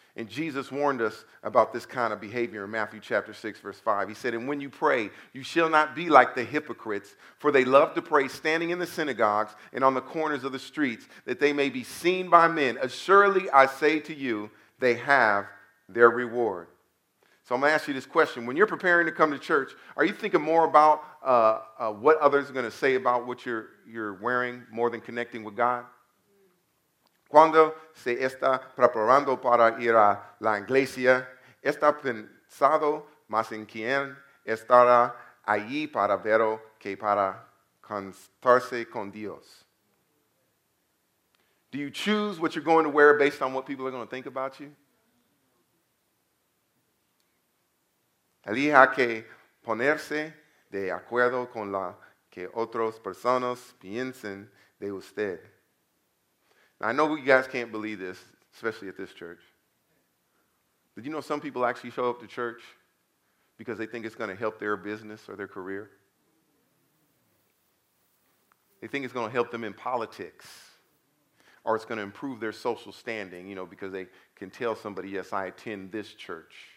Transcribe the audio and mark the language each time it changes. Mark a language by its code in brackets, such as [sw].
[en] And Jesus warned us about this kind of behavior in Matthew chapter 6, verse 5. He said, and when you pray, you shall not be like the hypocrites, for they love to pray standing in the synagogues and on the corners of the streets, that they may be seen by men. Assuredly, I say to you, they have their reward. So I'm going to ask you this question. When you're preparing to come to church, are you thinking more about what others are going to say about what you're wearing more than connecting with God? [es] Cuando se está preparando para ir a la iglesia, está pensado más en quién estará allí para verlo que para contarse con Dios. [en] Do you choose what you're going to wear based on what people are going to think about you? [es] Elija que ponerse de acuerdo con la que otras personas piensen de usted. [en] Now, I know you guys can't believe this, especially at this church. Did you know some people actually show up to church because they think it's going to help their business or their career? They think it's going to help them in politics, or it's going to improve their social standing, you know, because they can tell somebody, yes, I attend this church.